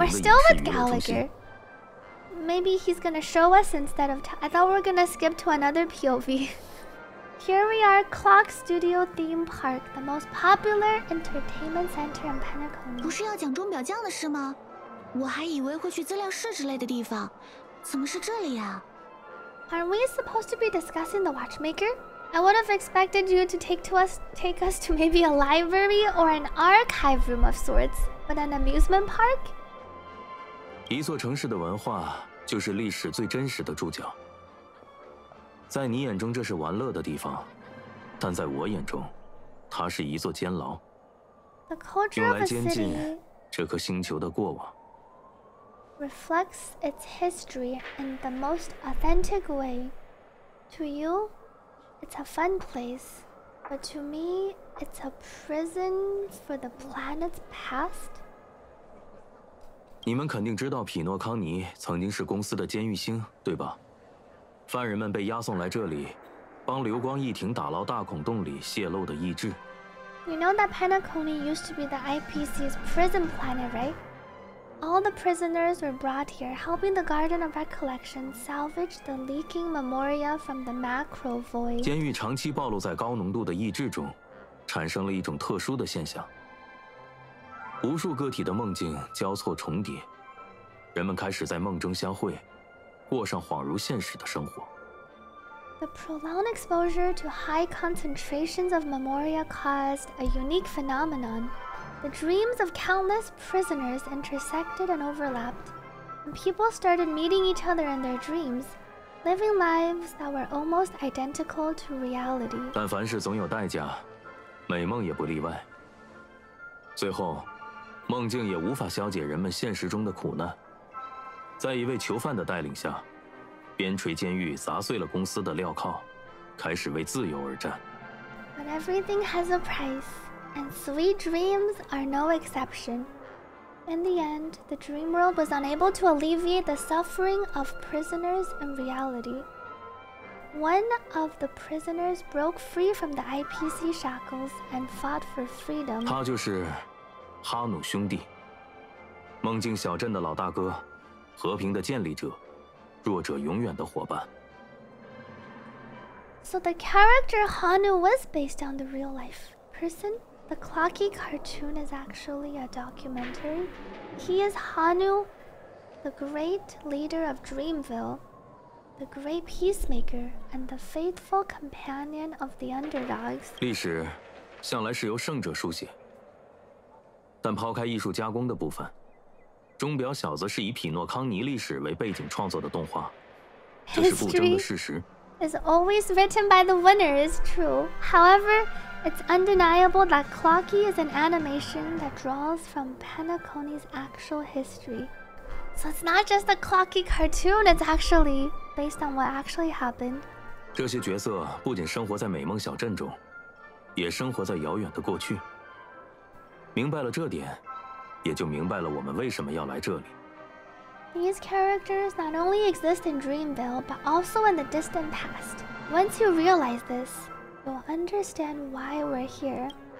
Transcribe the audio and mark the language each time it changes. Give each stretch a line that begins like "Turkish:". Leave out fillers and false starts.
Chinese: 的影视娱乐中心
English: we're still with Gallagher. Maybe he's gonna show us instead of I thought we're gonna skip to another POV. Here we are, Clock Studio Theme Park, the most popular entertainment center in Pentacony.
Chinese: 不是要讲钟表匠的事吗？我还以为会去资料室之类的地方，怎么是这里啊？
English: Aren't we supposed to be discussing the Watchmaker? I would have expected you to take us to maybe a library or an archive room of sorts, but an amusement park?
Chinese: 一座城市的文化就是历史最真实的注脚。在你眼中这是玩乐的地方，但在我眼中，它是一座监牢。
English: The culture of a city
Chinese: 用来监禁这颗星球的过往。
English: Reflects its history in the most authentic way to you? It's a fun place, but to me, it's a prison for the planet's past.
Chinese: 你们肯定知道匹诺康尼曾经是公司的监狱星，对吧？犯人们被押送来这里，帮流光溢亭打捞大孔洞里泄露的意志。
English: You know that Pentacony used to be the IPC's prison planet, right? All the prisoners were brought here, helping the Garden of Recollection salvage the leaking memoria from the macro void.
Chinese: 监狱长期暴露在高浓度的抑制中，产生了一种特殊的现象。无数个体的梦境交错重叠，人们开始在梦中相会，过上恍如现实的生活。
English: The prolonged exposure to high concentrations of memoria caused a unique phenomenon. The dreams of countless prisoners intersected and overlapped, and people started meeting each other in their dreams, living lives that were almost identical to reality.
Chinese: 但凡事总有代价，美梦也不例外。最后，梦境也无法消解人们现实中的苦难。在一位囚犯的带领下，边陲监狱砸碎了公司的镣铐，开始为自由而战。
English: But everything has a price. And sweet dreams are no exception. In the end, the dream world was unable to alleviate the suffering of prisoners in reality. One of the prisoners broke free from the IPC shackles and fought for freedom.
Chinese: 他就是哈努兄弟，梦境小镇的老大哥，和平的建立者，弱者永远的伙伴。
English: So the character Hanu was based on the real life person? The Clocky cartoon is actually a documentary. He is Hanu, the great leader of Dreamville, the great peacemaker, and the faithful companion of the underdogs.
Chinese: 历史向来是由胜者书写。但抛开艺术加工的部分，钟表小子是以匹诺康尼历史为背景创作的动画，这是不争的事实。
English: Is always written by the winner is true. However, it's undeniable that Clocky is an animation that draws from Pentacony's actual history. So it's not just a Clocky cartoon, it's actually based on what actually happened.
Chinese: 这些角色不仅生活在美梦小镇中，也生活在遥远的过去。明白了这点，也就明白了我们为什么要来这里。
English: These characters not only exist in Dreamville, but also in the distant past. Once you realize this, you'll understand why we're here.